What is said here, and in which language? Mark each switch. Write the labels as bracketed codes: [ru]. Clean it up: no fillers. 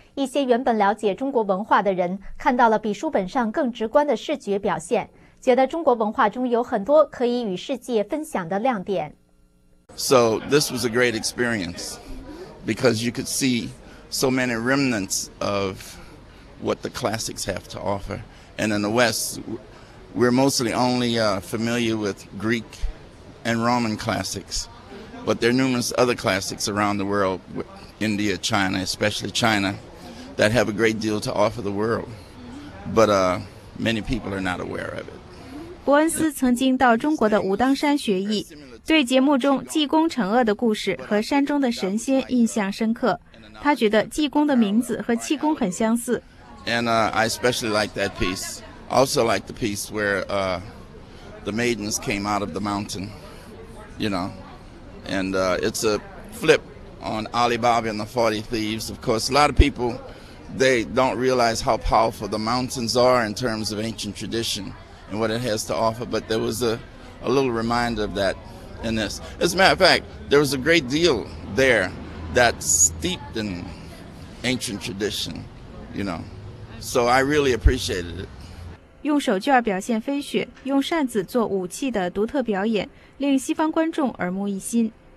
[zh] 一些原本了解中国文化的人，看到了比书本上更直观的视觉表现。觉得中国文化中有很多可以与世界分享的亮点。 [en] So this was a great experience because you could see so many remnants of what the classics have to offer. And in the West, we're mostly only familiar with Greek and Roman classics, but there are numerous other classics around the world, India, China, especially China, that have a great deal to offer the world. But many people are not aware of it. [zh] 伯恩斯曾经到中国的武当山学艺，对节目中济公惩恶的故事和山中的神仙印象深刻。他觉得济公的名字和气功很相似。 [en] And I especially like that piece. Also like the piece where the maidens came out of the mountain, you know. And it's a flip on Alibaba and the 40 thieves. Of course, a lot of people they don't realize how powerful the mountains are in terms of ancient tradition. And what it has to offer, but there was a little reminder of that in this. As a matter of fact, there was a great deal there that's steeped in ancient tradition, you know. So I really appreciated it. [zh] 用手绢表现飞雪，用扇子做武器的独特表演，令西方观众耳目一新。